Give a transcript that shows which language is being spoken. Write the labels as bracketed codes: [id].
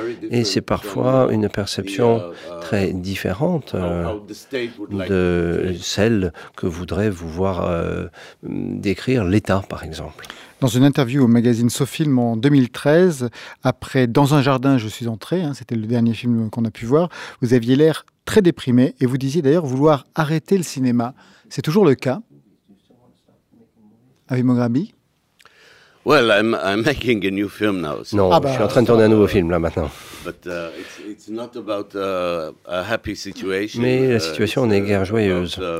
[fr] Et c'est parfois une perception très différente de celle que voudrait vous voir décrire l'État, par exemple. Dans une interview au magazine SoFilm en 2013, après « Dans un jardin, je suis entré », hein, c'était le dernier film qu'on a pu voir, vous aviez l'air très déprimé et vous disiez d'ailleurs vouloir arrêter le cinéma. C'est toujours le cas. Avi Moghrabi. [en] Well, I'm making a new film now. [fr] So non, je suis en train de tourner un nouveau film là maintenant. [en] But it's not about a happy situation. [fr] Mais la situation n'est guère joyeuse.